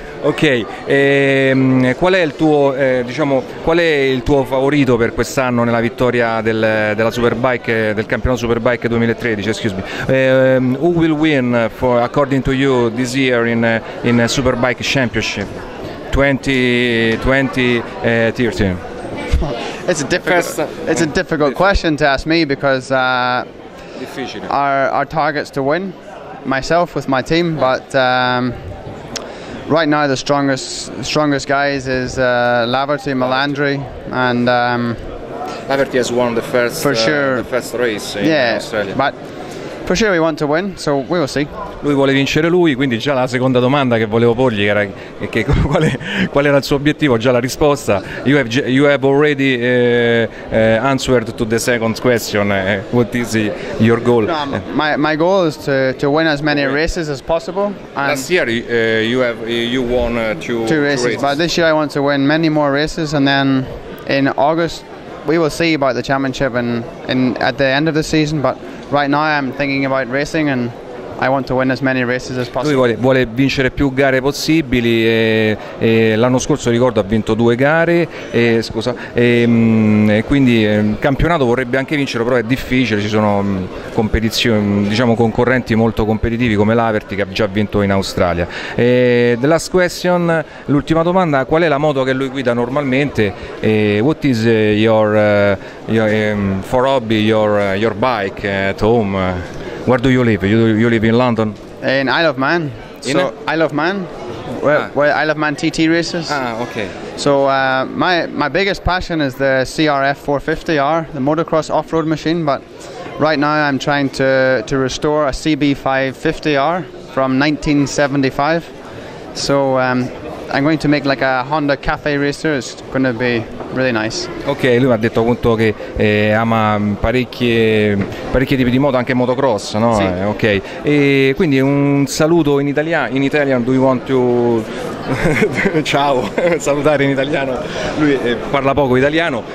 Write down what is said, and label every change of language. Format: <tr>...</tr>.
<it>Ok, qual è il tuo, qual è il tuo favorito per quest'anno nella vittoria della Superbike, del campionato Superbike 2013?</it> <en>Excuse me. Who will win for according to you this year in Superbike Championship 2013? It's a difficult question to ask me because our target's to win, myself with my team, but. Right now, the strongest guys is Laverty, Malandri, and Laverty has won the first for sure. The first race in Australia. But for sure, we want to win, so we will see.</en> <it>Lui vuole vincere lui, quindi già la seconda domanda che volevo porgli era che qual era il suo obiettivo, già la risposta.</it> <en>You have already answered to the second question. What is your goal? No, my goal is to win as many races as possible. And last year you won two races, but this year I want to win many more races, and then in August we will see about the championship and at the end of the season. But right now I'm thinking about racing and I want to win as many races as possible.</en> <it>Lui vuole vincere più gare possibili. E l'anno scorso, ricordo, ha vinto due gare. Quindi il campionato vorrebbe anche vincere, però è difficile. Ci sono competizioni, diciamo, concorrenti molto competitivi come Laverty, che ha già vinto in Australia.</it> <en>The last question,</en> <it>l'ultima domanda: qual è la moto che lui guida normalmente?</it> <en>What is your bike at home? Where do you live? You live in London? In Isle of Man. Isle of Man. Where Isle of Man TT races. Ah, okay. So my biggest passion is the CRF 450R, the motocross off-road machine, but right now I'm trying to restore a CB550R from 1975. So I'm going to make like a Honda Cafe Racer. It's going to be really nice.</en> <it>Ok, lui mi ha detto appunto che ama parecchi tipi di moto, anche motocross, no? Sì. Ok. E quindi un saluto in italiano.</it> <en>In Italian, do you want to</en> <it>ciao, salutare in italiano. Lui parla poco italiano.</it>